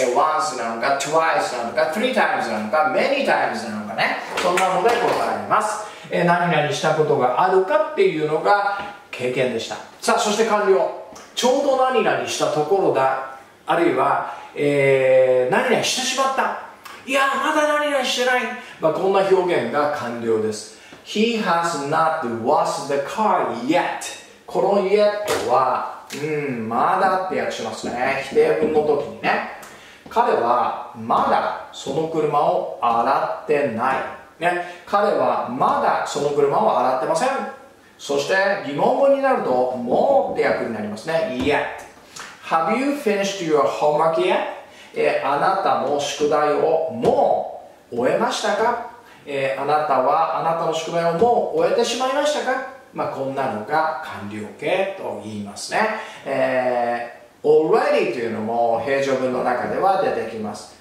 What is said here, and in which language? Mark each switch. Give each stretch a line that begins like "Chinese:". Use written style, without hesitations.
Japanese: Once なのか Twice なのか Three times なのか Many times なのかね、そんなので答えます。何々したことがあるかっていうのが経験でした。さあ、そして完了、ちょうど何々したところだ、あるいは、何々してしまった、いやまだ何々してない、まあ、こんな表現が完了です。
English: He has not washed the car yet。
Japanese: この yet は、まだって訳しますね、否定文の時にね。彼はまだその車を洗ってない、ね、彼はまだその車を洗ってません。そして疑問文になるともうって訳になりますね、 yet。
English: Have you finished your homework yet？
Japanese: あなたの宿題をもう終えましたか。あなたはあなたの宿題をもう終えてしまいましたか、まあ、こんなのが完了形と言いますね。 Already というのも平常文の中では出てきます。